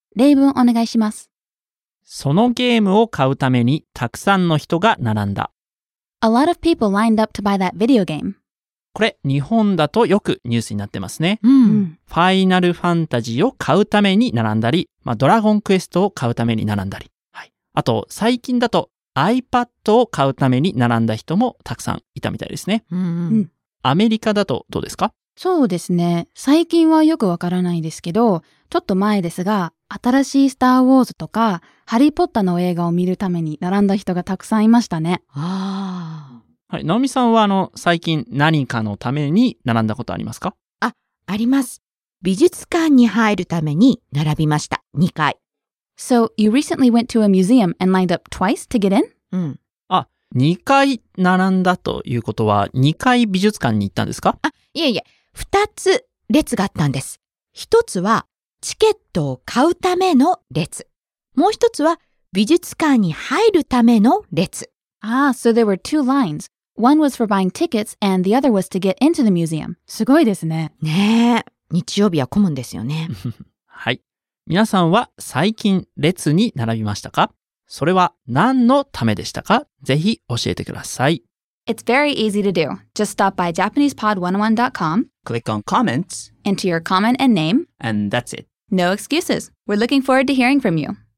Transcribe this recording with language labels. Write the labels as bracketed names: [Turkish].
[Japanese] 例文お願いします。そのゲームを買うためにたくさんの人が並んだ。 [English] A lot of people lined up to buy that video game. [Japanese] これ日本だとよくニュースになってますね。うん。ファイナルファンタジーを買うために並んだり、まあ、ドラゴンクエストを買うために並んだり、はい、あと最近だと iPad を買うために並んだ人もたくさんいたみたいですね。うん、アメリカだとどうですか？そうですね、最近はよくわからないですけど、ちょっと前ですが、新しいスターウォーズとかハリーポッターの映画を見るために並んだ人がたくさんいましたね。あ、はい、直美さんはあの最近何かのために並んだことありますか？あります。美術館に入るために並びました。2回。 [English] So, you recently went to a museum and lined up twice to get in? [Japanese] あ、2回並んだということは、2回美術館に行ったんですか？あ、いえいえ、2つ列があったんです。1つはチケットを買うための列。もう1つは美術館に入るための列。 [English] Ah, so there were two lines. One was for buying tickets and the other was to get into the museum. [Japanese] すごいですね。ねえ、日曜日は混むんですよね。はい。皆さんは最近列に並びましたか？それは何のためでしたか？ぜひ教えてください。 [English] It's very easy to do. Just stop by JapanesePod101.com, click on comments, enter your comment and name, and that's it. No excuses. We're looking forward to hearing from you.